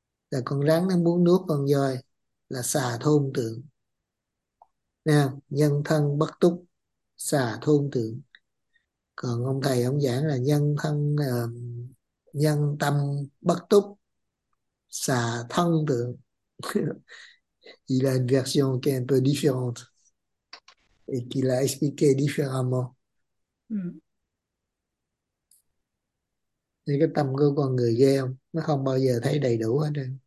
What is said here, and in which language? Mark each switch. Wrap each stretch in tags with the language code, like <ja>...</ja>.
<vi>Là con rắn nó muốn nuốt con voi. Là xà thôn tượng. Nè, nhân thân bất túc. Xà thôn tượng. Còn ông thầy ông giảng là nhân thân... nhân tâm bất túc xà thân tượng.</vi> <fr>Il a une version qui est un peu différente et qu'il a expliqué différemment.</fr> <vi>Nên cái tâm của con người ghê không, nó không bao giờ thấy đầy đủ hết trơn.</vi>